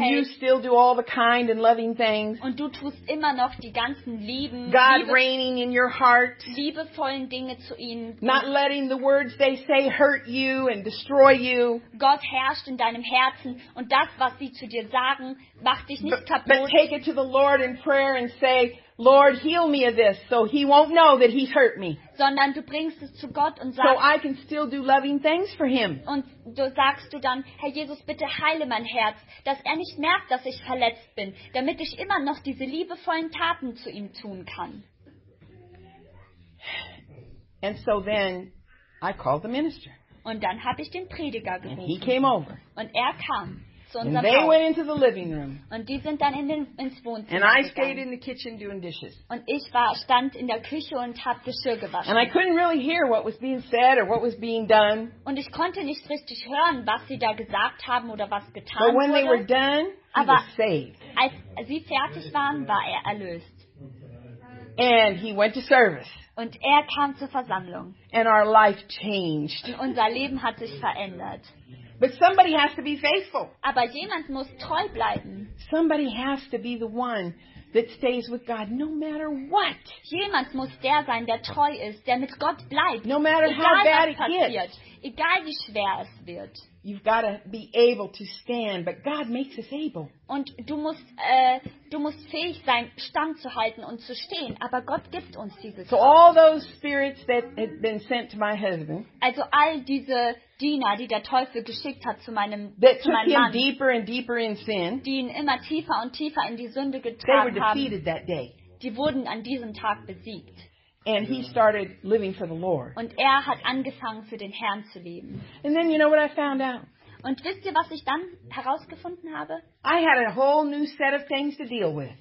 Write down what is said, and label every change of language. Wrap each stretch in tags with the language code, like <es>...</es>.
<en>And you still do all the kind and loving things.</en> <de>Und du tust immer noch die ganzen lieben,</de> <en>God reigning in your heart.</en> <de>Liebevollen Dinge zu ihnen.</de> <en>Not letting the words they say hurt you and destroy you.</en> <de>Gott herrscht in deinem Herzen und das, was sie zu dir sagen, macht dich nicht kaputt.</de> <en>But take it to the Lord in prayer and say, Lord, heal me of this, so he won't know that he's hurt me.</en> <de>Sondern du bringst es zu Gott und sagst,</de> <en>so I can still do loving things for him.</en> <de>Und du sagst du dann, Herr Jesus, bitte heile mein Herz, dass er nicht merkt, dass ich verletzt bin, damit ich immer noch diese liebevollen Taten zu ihm tun kann.</de> <en>And so then I called the minister.</en> <de>Und dann habe ich den Prediger gerufen.</de> <en>And he came over.</en> <de>Und er kam.</de> <en>And they went into the living room.</en> <de>Und die sind dann in ins Wohnzimmer.</de> <en>And I stayed in the kitchen doing dishes.</en> <de>Und ich stand in der Küche und habe Geschirr gewaschen.</de> <en>And I couldn't really hear what was being said or what was being done.</en> <de>Und ich konnte nicht richtig hören, was sie da gesagt haben oder was getan</de> <en>wurde. But when they were done, he was saved.</en> <de>Als sie fertig waren, war er erlöst.</de> <en>And he went to service.</en> <de>Und er kam zur Versammlung.</de> <en>And our life changed.</en> <de>Und unser Leben hat sich verändert.</de> <en>But somebody has to be faithful.</en> <de>Aber jemand muss treu bleiben.</de> <en>Somebody has to be the one that stays with God no matter what.</en> <de>Jemand muss der sein, der treu ist, der mit Gott bleibt.</de> <en>No matter</en> <de>egal,</de> <en>how bad</en> <de>was passiert,</de> <en>it gets.</en> <de>Egal wie schwer es wird.</de> <en>You've got to be able to stand, but God makes us able.</en> <de>Und du musst fähig sein, stand zu halten und zu stehen, aber Gott gibt uns dieses.</de> <en>So all those spirits that had been sent to my husband.</en> <de>Also all diese Diener, die der Teufel geschickt hat zu meinem</de> <en>that</en> <de>zu meinem Mann.</de> <en>Him deeper and deeper in sin.</en> <de>Die ihn immer tiefer und tiefer in die Sünde getragen haben.</de> <en>They were defeated that day.</en> <de>Die wurden an diesem Tag besiegt.</de> <en>And he started living for the Lord.</en> <de>Und er hat angefangen, für den Herrn zu leben.</de> <en>And then you know what I found out?</en> <de>Und wisst ihr, was ich dann herausgefunden habe?</de> <en>I had a whole new set of things to deal with.</en>